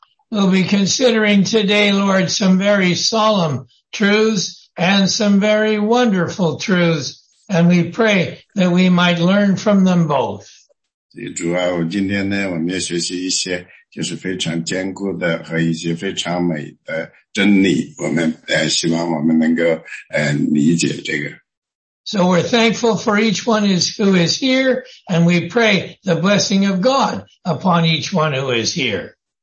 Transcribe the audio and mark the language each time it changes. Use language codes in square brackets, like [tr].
[en] We'll be considering today, Lord, some very solemn truths and some very wonderful truths, and we pray that we might learn from them both. [zh] 主啊，我今天呢，我们要学习一些就是非常坚固的和一些非常美的真理，我们希望我们能够理解这个。So [en] we're thankful for each one who is here, and we pray the blessing of God upon each one who is here.